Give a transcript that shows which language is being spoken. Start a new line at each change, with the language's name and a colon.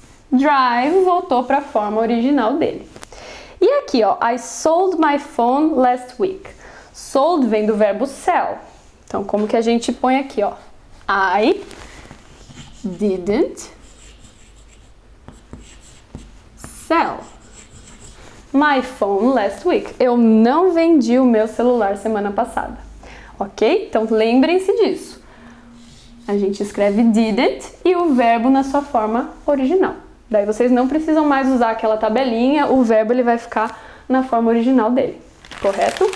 Portuguese: Drive voltou para a forma original dele. E aqui, ó,
English: I sold my phone last week.
Portuguese: Sold vem do verbo sell. Então, como que a gente põe aqui, ó?
English: I didn't sell my phone last week.
Portuguese: Eu não vendi o meu celular semana passada. Ok? Então, lembrem-se disso. A gente escreve didn't e o verbo na sua forma original. Daí vocês não precisam mais usar aquela tabelinha, o verbo ele vai ficar na forma original dele. Correto?